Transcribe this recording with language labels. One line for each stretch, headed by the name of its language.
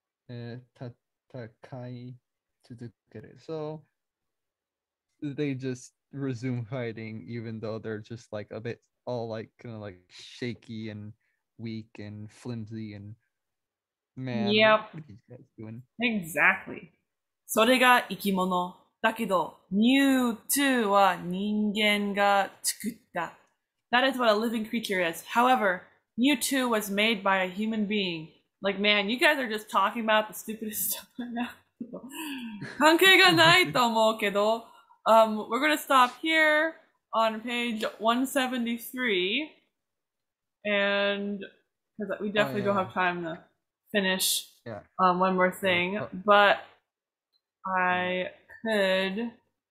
Japanese: Tatakai tsuzukeru.
English: So they just resume fighting even though they're just like a bit. All like kind of like shaky and weak and flimsy and man. Yep. What are these guys doing? Exactly.
Japanese: それが生き物だけど、ミュウツーは人間が作った。
English: That is what a living creature is. However, ミュウツーwas made by a human being. Like, man, you guys are just talking about the stupidest stuff right now.
Japanese: 関係がないと思うけど、
English: we're gonna stop here. On page 173, and because we definitely don't have time to finish one more thing, but I could.